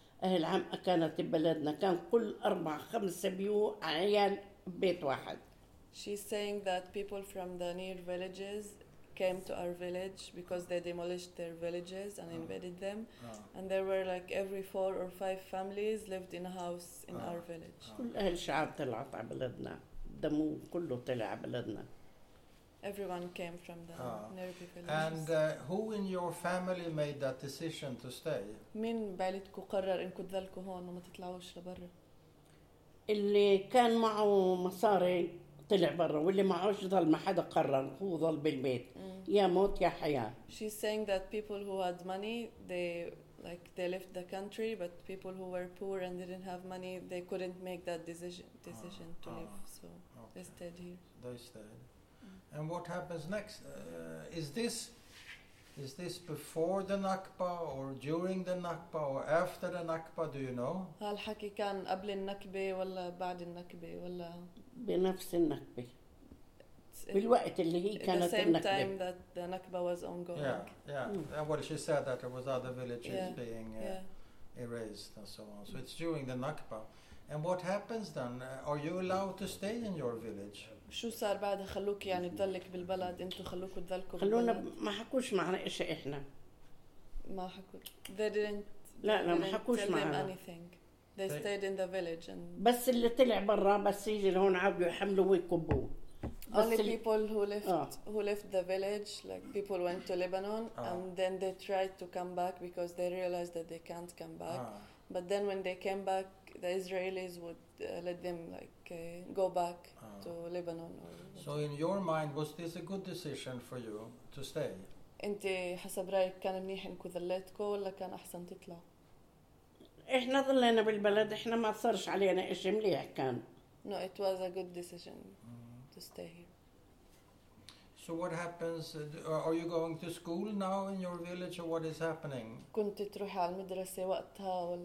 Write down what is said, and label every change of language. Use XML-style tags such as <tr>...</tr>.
<ar>أهل عم كانت ببلدنا كان كل 4-5 بيو عيال بيت واحد.</ar> <en>She's saying that people from the near villages came to our village because they demolished their villages and invaded them, and there were like every 4 or 5 families lived in a house in our village.</en> <ar>كل أهل شعب طلعت على بلدنا دمو كله طلع على بلدنا.</ar> <en>Everyone came from the near villages. And who in your family made that decision to stay?</en> <ar>مين بعيلتك قرر إنكم تضلكوا هون وما تطلعوش لبرا؟ اللي كان معه مصاري طلع برا واللي معهوش ضل ما حدا قرر هو ضل بالبيت. يا موت يا حياة.</ar> <en>She's saying that people who had money they left the country, but people who were poor and didn't have money they couldn't make that decision to leave. So they stayed here. They stayed. And what happens next? Is this before the Nakba or during the Nakba or after the Nakba? Do you know?</en> <ar>هل حكي كان قبل النكبة ولا بعد النكبة ولا بنفس النكبة؟ بالوقت اللي هي كانت النكبة.</ar> <en>At the same time that the Nakba was ongoing. Yeah, yeah. And what she said that there was other villages being erased and so on. So it's during the Nakba. And what happens then? Are you allowed to stay in your village?</en> <ar>شو صار بعد خلوك يعني تضلك بالبلد انتو خلوك تضلكوا خلونا ما حكوش معنا إيش إحنا ما حكوا</ar> <en>they didn't</en> <ar>لا لا ما حكوش معنا</ar> <en>anything they stayed in the village and</en> <ar>بس اللي طلع برا بس يجي لهون عبدو يحملوا ويكبوا</ar> <en>only people who left who left the village like people went to Lebanon and then they tried to come back because they realized that they can't come back but then when they came back the Israelis would let them like go back to Lebanon or so in your mind was this a good decision for you to stay</en> <ar>انت حسب رايك كان منيح انكم ضليتكم ولا كان احسن تطلع احنا ضلينا بالبلد احنا ما صارش علينا اشي مليح كان</ar> <en>no it was a good decision to stay here so what happens are you going to school now in your village or what is happening</en> <ar>كنت تروح على المدرسه وقتها ولا</ar>